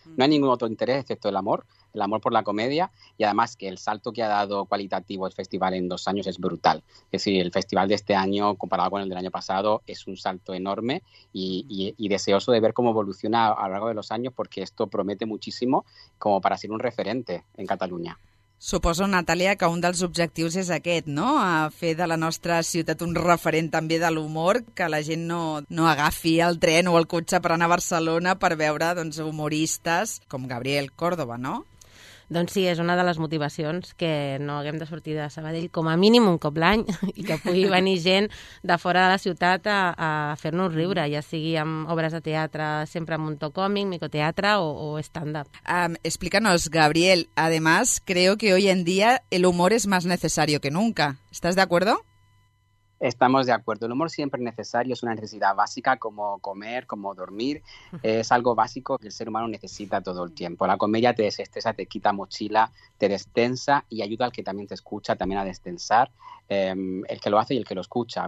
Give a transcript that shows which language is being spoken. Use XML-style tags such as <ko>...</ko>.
<es>No hay ningún otro interés excepto el amor por la comedia, y además que el salto que ha dado cualitativo el festival en 2 años es brutal. Es decir, el festival de este año, comparado con el del año pasado, es un salto enorme y deseoso de ver cómo evoluciona a lo largo de los años, porque esto promete muchísimo como para ser un referente en Cataluña.</es> <ca>Suposo, Natàlia, que un dels objectius és aquest, no? A fer de la nostra ciutat un referent també de l'humor, que la gent no agafi el tren o el cotxe per anar a Barcelona per veure doncs, humoristes com Gabriel Córdoba, no? Doncs sí, és una de les motivacions, que no haguem de sortir de Sabadell com a mínim un cop l'any i que pugui venir gent de fora de la ciutat a fer-nos riure, ja sigui amb obres de teatre, sempre amb un to còmic, micoteatre o stand-up.</ca> <es>Explícanos, Gabriel, además, creo que hoy en día el humor es más necesario que nunca. ¿Estás de acuerdo? Estamos de acuerdo. El humor siempre es necesario, es una necesidad básica como comer, como dormir. Es algo básico que el ser humano necesita todo el tiempo. La comedia te desestresa, te quita mochila, te destensa y ayuda al que también te escucha también a destensar, el que lo hace y el que lo escucha.</es>